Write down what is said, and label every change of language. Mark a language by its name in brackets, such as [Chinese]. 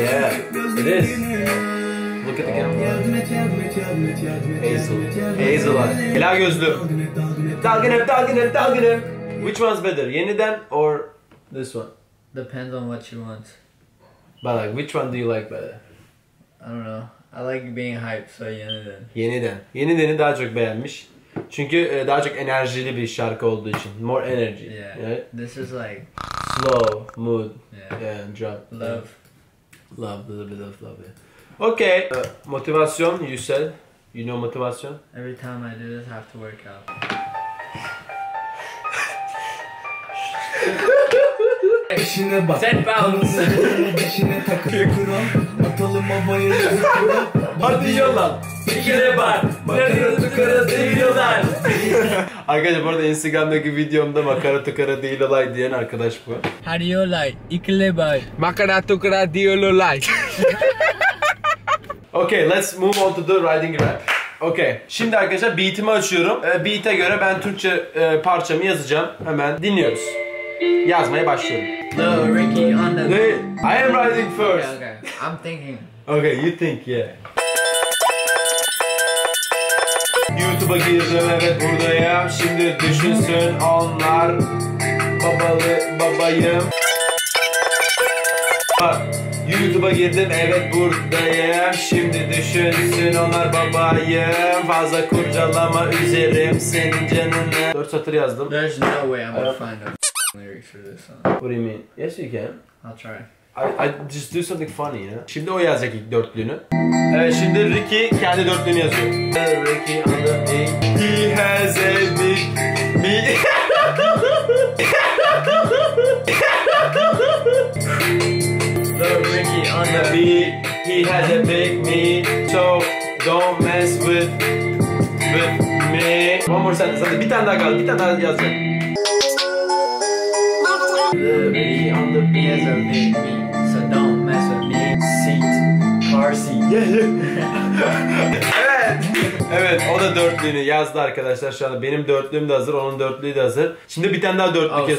[English] Yeah, it is. Look at the camera. Hazel. Hazel eye. [Turkish] Helal gözlü. Dalgınım. [English] Which one's better, yeniden or this one? Depends on what you want. But like, which one do you like better? I don't know. I like being hyped, so yeniden. Yeniden. [Turkish] Yeniden'i daha çok beğenmiş. Çünkü daha çok enerjili bir şarkı olduğu için. [English] More energy. Yeah. Right? This is like... Slow, mood. Yeah. And drop. Love. Yeah. Love, a little bit of love, yeah. Okay. Motivasyon, you said. You know motivasyon? Every time I do this, I have to work out. [Turkish] Eşine bak. [English] Set bounds. [Turkish] Eşine takı. Kuran. Atalım havaya çıkıyor. Hadi yalan. Fikire bak. Makara tukara değil olay. Arkadaşlar bu arada Instagram'daki videomda makara tukara değil olay diyen arkadaş bu. Hadi yalan. İkile bak. Makara tukara değil olay. [English] Okay, let's move on to the writing rap. [Turkish] Okay, şimdi arkadaşlar beat'imi açıyorum. Beat'e göre ben Türkçe parçamı yazacağım. Hemen dinliyoruz. Yazmaya başlıyorum. [English] No, Ricky, on the... Hey, I am writing first. Okay, okay. I'm thinking. Okay, you think, yeah. [Turkish] YouTube'a girdim, evet buradayım. Şimdi düşünsün onlar. Babalı babayım. Bak, YouTube'a girdim, evet buradayım. Şimdi düşünsün onlar babayım. Fazla kurcalama, üzerim senin canını. 4 satır yazdım. [English] There's no way I'm gonna find them. Lyrics for this. What do you mean? Yes, you can. I'll try. I just do something funny, you know? [Turkish] Şimdi o yazacak ilk dörtlüğünü. Evet, şimdi Ricky kendi dörtlüğünü yazıyor. [English] Ricky on the beat. He has a big beat. The Ricky on the beat. He has a big beat. So don't mess with me. One more sentence. [Turkish] Hadi bir tane daha kaldı. Bir tane daha yazacak. [English] The beat on the beat, so don't mess with me. Seat, car seat. Evet. [Turkish] Evet, o da dörtlüğünü yazdı arkadaşlar şu anda. Benim dörtlüğüm de hazır, onun dörtlüğü de hazır. Şimdi bir tane daha dörtlük yazacağım.